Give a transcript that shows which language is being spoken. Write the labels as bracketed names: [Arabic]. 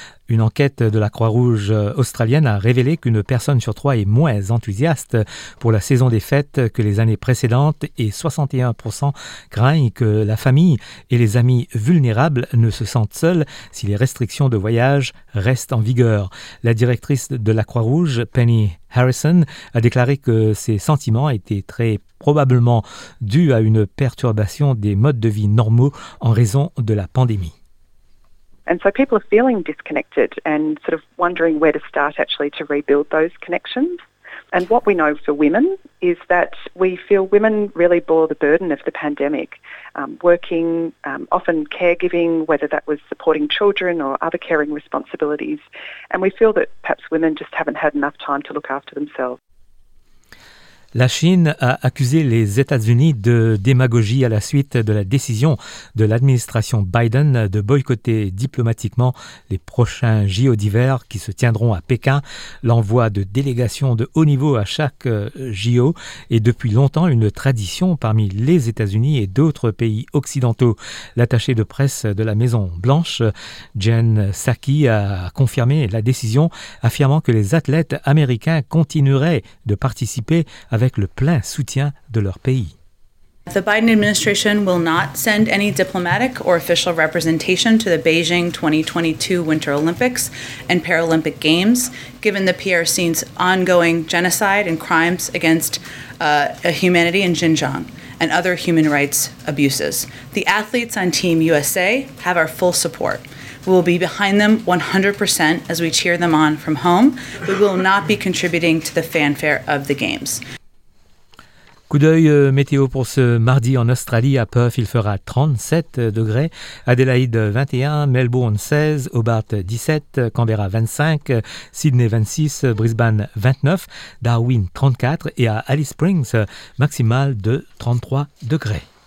[French] Une enquête de la Croix-Rouge australienne a révélé qu'une personne sur trois est moins enthousiaste pour la saison des fêtes que les années précédentes et 61% craignent que la famille et les amis vulnérables ne se sentent seuls si les restrictions de voyage restent en vigueur. La directrice de la Croix-Rouge, Penny Harrison, a déclaré que ces sentiments étaient très probablement dus à une perturbation des modes de vie normaux en raison de la pandémie. [English] And so people are feeling disconnected and sort of wondering where to start actually to rebuild those connections. And what we know for women is that we feel women really bore the burden of the pandemic, working, often caregiving, whether that was supporting children or other caring responsibilities. And we feel that perhaps women just haven't had enough time to look after themselves. [French] La Chine a accusé les États-Unis de démagogie à la suite de la décision de l'administration Biden de boycotter diplomatiquement les prochains JO d'hiver qui se tiendront à Pékin. L'envoi de délégations de haut niveau à chaque JO est depuis longtemps une tradition parmi les États-Unis et d'autres pays occidentaux. L'attaché de presse de la Maison Blanche, Jen Psaki, a confirmé la décision, affirmant que les athlètes américains continueraient de participer à avec le plein soutien de leur pays. [English] The Biden administration will not send any diplomatic or official representation to the Beijing 2022 Winter Olympics and Paralympic Games, given the PRC's ongoing genocide and crimes against humanity in Xinjiang and other human rights abuses. The athletes on Team USA have our full support. We will be behind them 100% as we cheer them on from home, but we will not be contributing to the fanfare of the Games. [French] Coup d'œil météo pour ce mardi en Australie. À Perth, il fera 37 degrés. Adélaïde, 21. Melbourne, 16. Hobart, 17. Canberra, 25. Sydney, 26. Brisbane, 29. Darwin, 34. Et à Alice Springs, maximale de 33 degrés.